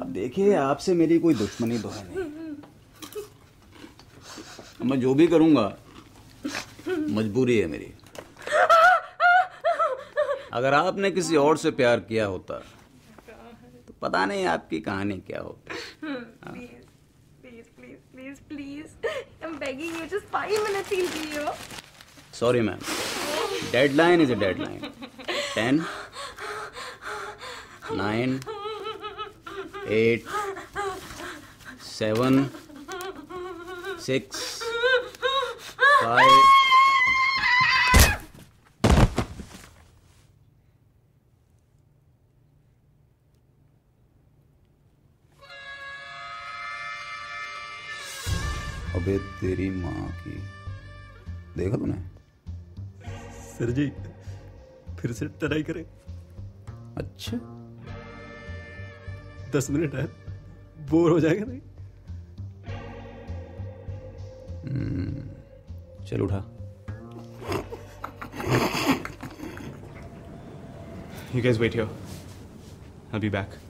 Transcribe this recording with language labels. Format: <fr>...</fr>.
<hi>अब देखिए, आपसे मेरी कोई दुश्मनी तो है नहीं, मैं जो भी करूंगा मजबूरी है मेरी। अगर आपने किसी और से प्यार किया होता तो पता नहीं आपकी कहानी क्या होती।</hi> <en>please, please, please, please. I'm begging you, just 5 minutes he'll be here. Sorry, ma'am. Deadline is a deadline. 10, 9, 8, 7, 6, 5.</en> <hi>अबे तेरी माँ की, देखा तूने? सर जी, फिर से ट्राई करें। अच्छा, 10 मिनट है, बोर हो जाएगा नहीं? चल उठा।</hi> <en>You guys wait here, I'll be back.</en>